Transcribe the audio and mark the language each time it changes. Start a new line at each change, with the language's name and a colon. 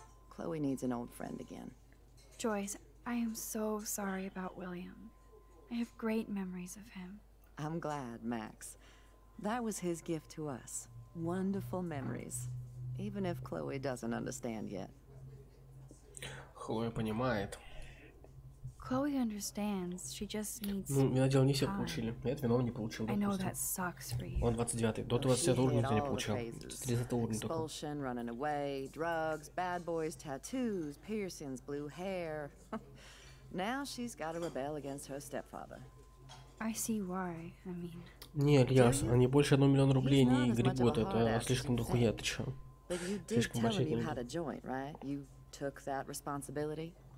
English: Chloe needs an old friend again. Joyce, I am so sorry about William. I have great memories of him. I'm glad, Max. That was his gift to us. Wonderful memories. Even if Chloe doesn't understand yet.
Russian: Chloe понимает.
English: Chloe understands. She just needs.
Russian: Ну, я делал, не все получили. Нет, вином не получил.
English: I know that sucks for you.
Russian: Он 29-й. До 20-го уровня не получил. 30-го уровня только.
English: Expulsion, running away, drugs, bad boys, tattoos, piercings, blue hair. Now she's got to rebel against her stepfather. I see why. I mean.
Russian: Не, Ильяс, они больше 1 миллион рублей не гребут, это слишком дохуя, ты чё? Слишком большие деньги.
English: Had a joint, right? You took that responsibility.